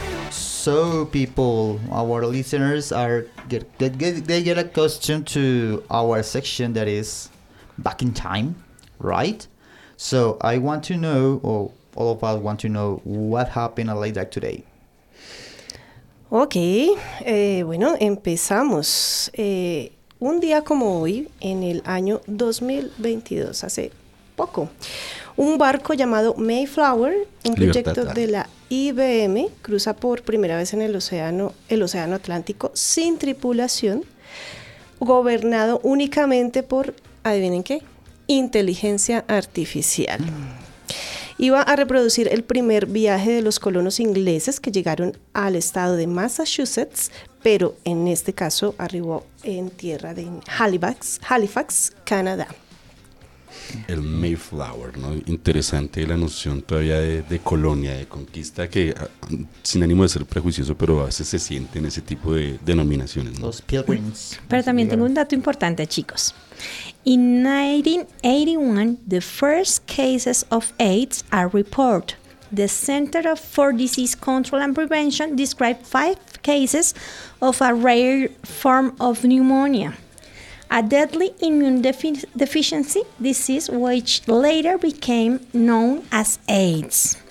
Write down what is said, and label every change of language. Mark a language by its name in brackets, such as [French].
[English] So people, our listeners are get accustomed to our section that is back in time, right? So I want to know, or all of us want to know, what happened like that today. [Spanish] Ok, bueno, empezamos. Un día como hoy, en el año 2022, hace poco, un barco llamado Mayflower, un proyecto de la IBM, cruza por primera vez en el océano Atlántico sin tripulación, gobernado únicamente por, ¿adivinen qué? Inteligencia artificial. Iba a reproducir el primer viaje de los colonos ingleses que llegaron al estado de Massachusetts, pero en este caso arribó en tierra de Halifax, Canadá. El Mayflower, ¿no? Interesante la noción todavía de colonia, de conquista, que sin ánimo de ser prejuicioso, pero a veces se siente en ese tipo de denominaciones, ¿no? Los Pilgrims. Pero también tengo un dato importante, chicos. [English] In 1981, the first cases of AIDS are reported. The Center for Disease Control and Prevention described 5 cases of a rare form of pneumonia, a deadly immune deficiency disease, which later became known as AIDS.